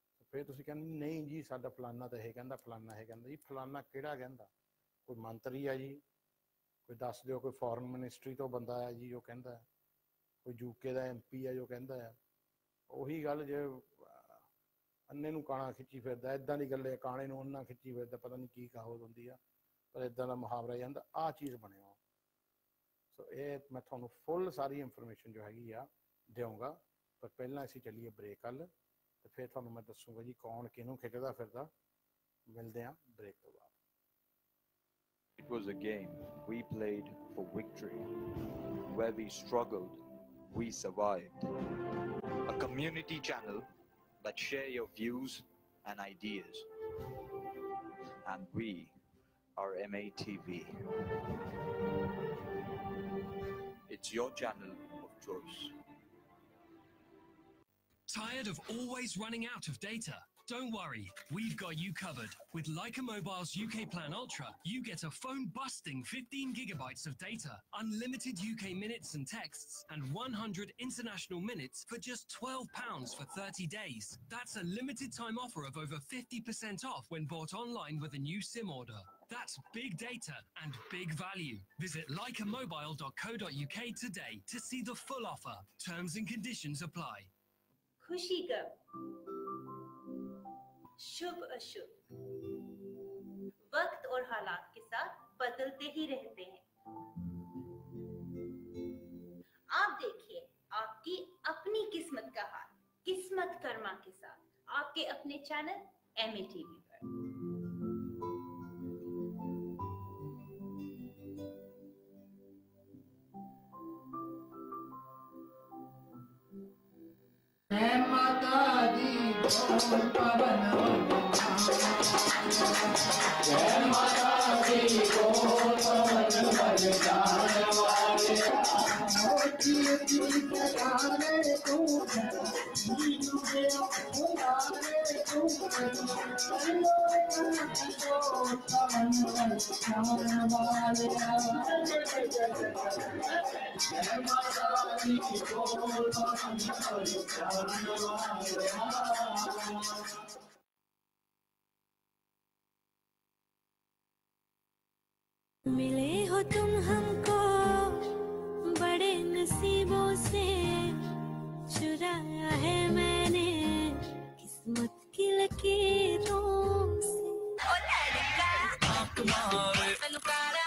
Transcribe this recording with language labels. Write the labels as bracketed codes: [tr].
[pa] ਫਿਰ ਤੁਸੀਂ ਕਹਿੰਦੇ ਨਹੀਂ ਜੀ ਸਾਡਾ ਫਲਾਨਾ ਤਾਂ ਇਹ ਕਹਿੰਦਾ ਫਲਾਨਾ ਇਹ ਕਹਿੰਦਾ ਜੀ ਫਲਾਨਾ ਕਿਹੜਾ ਕਹਿੰਦਾ ਕੋਈ ਮੰਤਰੀ ਆ ਜੀ ਕੋਈ ਦੱਸ ਦਿਓ ਕੋਈ ਫੋਰਨ ਮਿਨਿਸਟਰੀ ਤੋਂ ਬੰਦਾ ਆ ਜੀ ਜੋ ਕਹਿੰਦਾ ਕੋਈ UK ਦਾ MP ਆ ਜੋ ਕਹਿੰਦਾ ਆ ਉਹੀ ਗੱਲ ਜੇ ਅੰਨੇ ਨੂੰ ਕਾਣਾ ਖਿੱਚੀ ਫਿਰਦਾ ਇੱਦਾਂ ਦੀ ਗੱਲ ਹੈ ਕਾਣੇ ਨੂੰ ਅੰਨਾ ਖਿੱਚੀ ਫਿਰਦਾ ਪਤਾ ਨਹੀਂ ਕੀ ਕਹਾਵਤ ਹੁੰਦੀ ਆ ਪਰ ਇੱਦਾਂ ਦਾ ਮੁਹਾਵਰਾ ਜਾਂਦਾ ਆਹ ਚੀਜ਼ ਬਣਿਆ ਸੋ ਇਹ ਮੈਂ ਤੁਹਾਨੂੰ ਫੁੱਲ ਸਾਰੀ ਇਨਫੋਰਮੇਸ਼ਨ ਜੋ ਹੈਗੀ ਆ ਦਿਆਂਗਾ, ਪਰ ਪਹਿਲਾਂ ਅਸੀਂ ਚੱਲੀਏ ਬ੍ਰੇਕ ਵੱਲ, ਅਤੇ ਫਿਰ ਤੁਹਾਨੂੰ ਮੈਂ ਦੱਸੂੰਗਾ ਜੀ ਕੌਣ ਕਿਹਨੂੰ ਖਿੱਚਦਾ ਫਿਰਦਾ। ਮਿਲਦੇ ਹਾਂ ਬ੍ਰੇਕ ਤੋਂ ਬਾਅਦ। [en] It was a game we played for victory, where we struggled, we survived. A community channel that share your views and ideas. And we are MATV. It's your channel of choice. Tired of always running out of data? Don't worry, we've got you covered. With Leica Mobile's UK Plan Ultra, you get a phone-busting 15 gigabytes of data, unlimited UK minutes and texts, and 100 international minutes for just £12 for 30 days. That's a limited-time offer of over 50% off when bought online with a new SIM order. That's big data and big value. Visit leicamobile.co.uk today to see the full offer. Terms and conditions apply. [hi] खुशी कब, शुभ अशुभ, वक्त और हालात के साथ बदलते ही रहते हैं। आप देखिए आपकी अपनी किस्मत का हाल, किस्मत कर्मा के साथ आपके अपने चैनल MATV पर। है माता दी बोल पवन बजाना, है माता दी बोल पवन बजाना वाले ओची ती सताने तू नीनु रे अपुदाने तू नीनु रे अपुदाने तू नीनु रे अपुदाने तू मिले हो तुम हमको बड़े नसीबों से, चुराया है मैंने किस्मत की लकीरों से। ओ लड़का